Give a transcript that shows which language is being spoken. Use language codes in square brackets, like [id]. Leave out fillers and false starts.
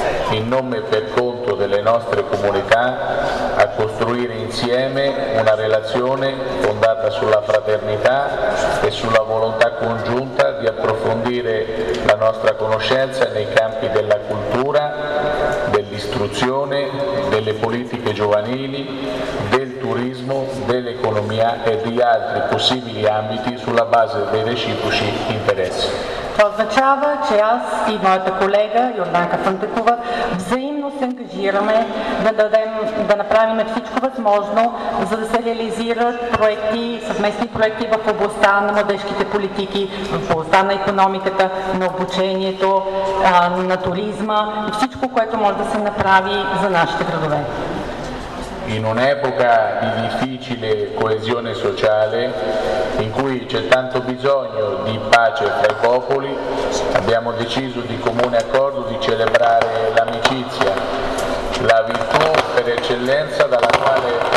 [it] in nome e per conto delle nostre comunità a costruire insieme una relazione fondata sulla fraternità e sulla volontà congiunta di approfondire la nostra conoscenza nei campi della cultura, dell'istruzione, delle politiche giovanili, del turismo, dell'economia e di altri possibili ambiti sulla base dei reciproci interessi. [bg] Това означава, че аз и моята колега Йорданка Пандакова взаимно се ангажираме да направим всичко възможно, за да се реализират проекти, съвместни проекти в областта на младежките политики, в областта на икономиката, на обучението, на туризма и всичко, което може да се направи за нашите градове. [it] In un'epoca di difficile coesione sociale, in cui c'è tanto bisogno di pace tra i popoli, abbiamo deciso di comune accordo di celebrare l'amicizia, la virtù per eccellenza dalla quale